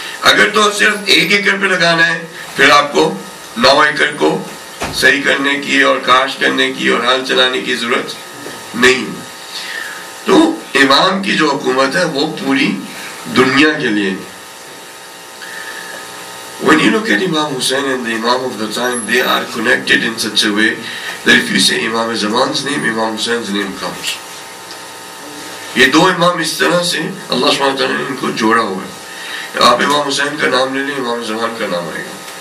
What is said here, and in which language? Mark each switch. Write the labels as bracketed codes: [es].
[ur] اگر تو صرف 1 ایکڑ پہ لگانا ہے, پھر آپ کو 9 ایکڑ کو صحیح کرنے کی اور کاشت کرنے کی اور ہل چلانے کی ضرورت نہیں. تو امام کی جو حکومت ہے وہ پوری دنیا کے لیے. [en] When you look at Imam Hussein and the Imam of the time, they are connected in such a way that if you say Imam Zaman's name, Imam Hussein's name comes. [ur] یہ دو امام اس طرح سے اللہ سبحانہ وتعالیٰ نے ان کو جوڑا ہوا ہے. آپ امام حسین کا نام لے لیں, امام زمان کا نام آئے گا.